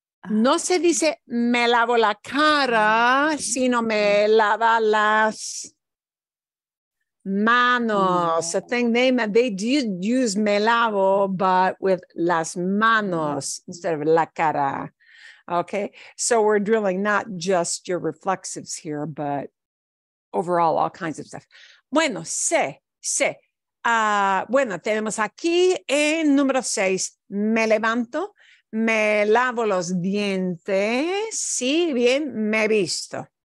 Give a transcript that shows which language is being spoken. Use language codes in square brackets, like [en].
[es] No se dice me lavo la cara, sino me lava las manos. [en] I think they did use [es] me lavo, [en] but with [es] las manos [en] instead of la cara. Okay, so we're drilling not just your reflexives here, but overall all kinds of stuff. [es] Bueno, se. Bueno, tenemos aquí en número 6, me levanto, me lavo los dientes, sí, bien, me visto.